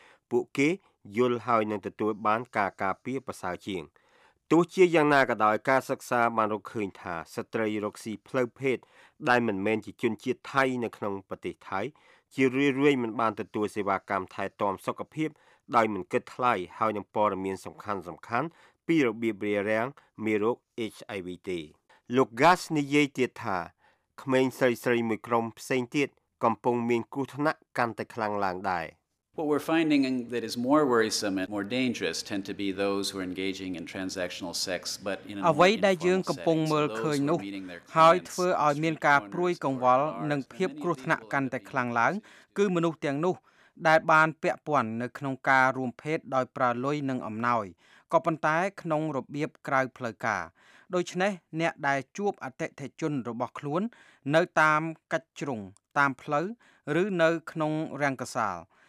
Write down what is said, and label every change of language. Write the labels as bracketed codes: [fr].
[km] ពួកគេយល់ហើយនឹងទទួលបានការការពារប្រសើរជាងទោះជាយ៉ាងណាក៏ដោយការសិក្សាបានរកឃើញថាស្ត្រីរកស៊ីផ្លូវភេទដែលមិនមែនជាជនជាតិថៃនៅក្នុងប្រទេសថៃជារឿយៗមិនបានទទួលសេវាកម្មថែទាំសុខភាពដោយមិនគិតថ្លៃហើយនឹងព័ត៌មានសំខាន់ៗពីរបៀបរារាំងមេរោគ HIV ទេលោក Gas និយាយទៀតថាក្មេងស្រីៗមួយក្រុមផ្សេងទៀតកំពុងមានគ្រោះថ្នាក់កាន់តែខ្លាំងឡើងដែរ [en] What we're finding that is more worrisome and more dangerous tend to be those who are engaging in transactional sex but in a way [km] ដែលយើងកំពុងមើលឃើញនោះហើយធ្វើឲ្យមានការព្រួយកង្វល់និងភាពគ្រោះថ្នាក់កាន់តែខ្លាំងឡើងគឺមនុស្សទាំងនោះដែលបានពាក់ព័ន្ធនៅក្នុងការរួមភេទដោយប្រើលុយនិងអំណោយក៏ប៉ុន្តែក្នុងរបៀបក្រៅផ្លូវការដូច្នេះអ្នកដែលជួបអតិថិជនរបស់ខ្លួននៅតាមកាច់ជ្រុងតាមផ្លូវឬនៅក្នុងរង្គសាល